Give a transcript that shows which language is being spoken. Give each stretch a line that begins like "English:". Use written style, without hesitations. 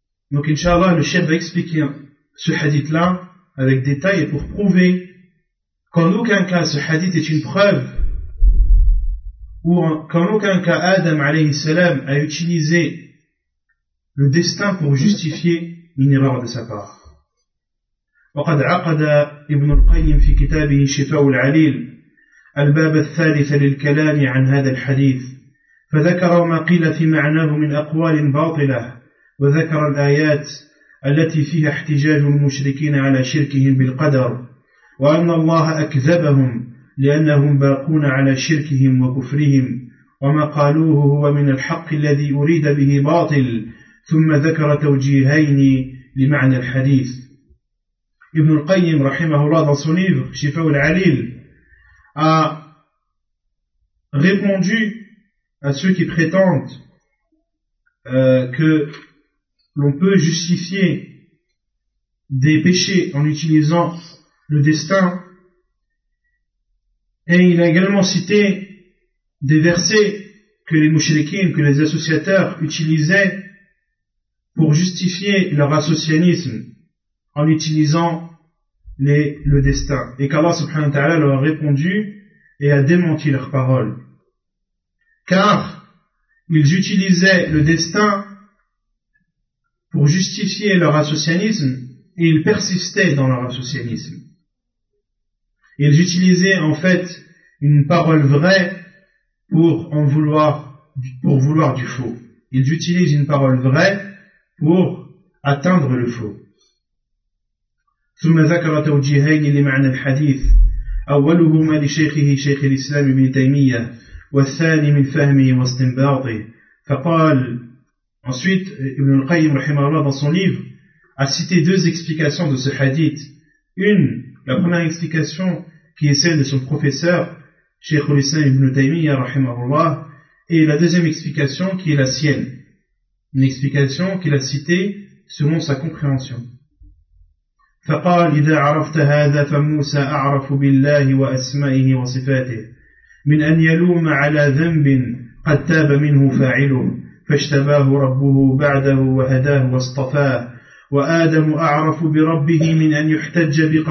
French: Donc Inch'Allah, le chef va expliquer ce hadith-là avec détail pour prouver qu'en aucun cas ce hadith est une preuve ou qu'en aucun cas Adam alayhi salam a utilisé le destin pour justifier une erreur de sa part.
Arabic: وقد عقد ابن القيم في كتابه شفاء العليل الباب الثالث للكلام عن هذا الحديث فذكر ما قيل في معناه من أقوال باطلة وذكر الآيات التي فيها احتجاج المشركين على شركهم بالقدر وأن الله أكذبهم لأنهم باقون على شركهم وكفرهم وما قالوه هو من الحق الذي أريد به باطل ثم ذكر توجيهين لمعنى الحديث.
French: Ibn al-Qayyim, rahimahullah, dans son livre, Shifa al-Alil, a répondu à ceux qui prétendent que l'on peut justifier des péchés en utilisant le destin. Et il a également cité des versets que les mouchriquins, que les associateurs utilisaient pour justifier leur associanisme en utilisant le destin, et qu'Allah subhanahu wa ta'ala leur a répondu et a démenti leurs paroles, car ils utilisaient le destin pour justifier leur associanisme et ils persistaient dans leur associanisme. Ils utilisaient en fait une parole vraie pour vouloir du faux. Ils utilisent une parole vraie pour atteindre le faux.
Arabic: ثم ذكر توجيهين لمعنى الحديث أولهما لشيخه شيخ الإسلام ابن تيمية والثاني من فهمه واستنباطه فقال.
French: Ensuite Ibn al-Qayyim rahimahullah dans son livre a cité deux explications de ce hadith. Une, la première explication qui est celle de son professeur Cheikh al-Islam ibn Taymiyyah rahimahullah, et la deuxième explication qui est la sienne, une explication qu'il a citée selon sa compréhension.
Arabic: فقال إذا عرفت هذا فموسى أعرف بالله وأسمائه وصفاته من أن يلوم على ذنب قد تاب منه فاعله فاشتباه ربه بعده وهداه واصطفاه وآدم أعرف بربه من أن يحتج